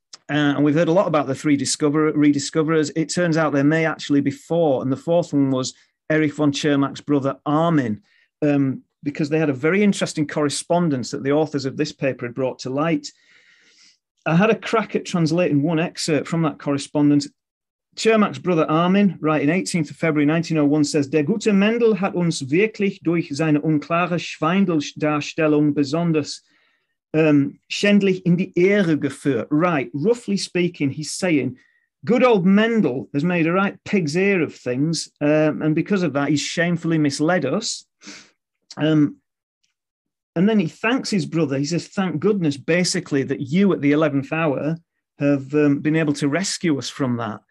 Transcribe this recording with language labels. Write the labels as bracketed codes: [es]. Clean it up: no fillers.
[en] And we've heard a lot about the three rediscoverers. It turns out there may actually be four. And the fourth one was Erich von Tschirmack's brother, Armin, because they had a very interesting correspondence that the authors of this paper had brought to light. I had a crack at translating one excerpt from that correspondence. Tschirmack's brother Armin, right, in 18th of February 1901, says, [de] Der gute Mendel hat uns wirklich durch seine unklare Schwindeldarstellung besonders schändlich in die Ehre geführt. [en] Right, roughly speaking, he's saying, good old Mendel has made a right pig's ear of things, and because of that, he's shamefully misled us. And then he thanks his brother. He says, thank goodness, basically, that you at the 11th hour have been able to rescue us from that.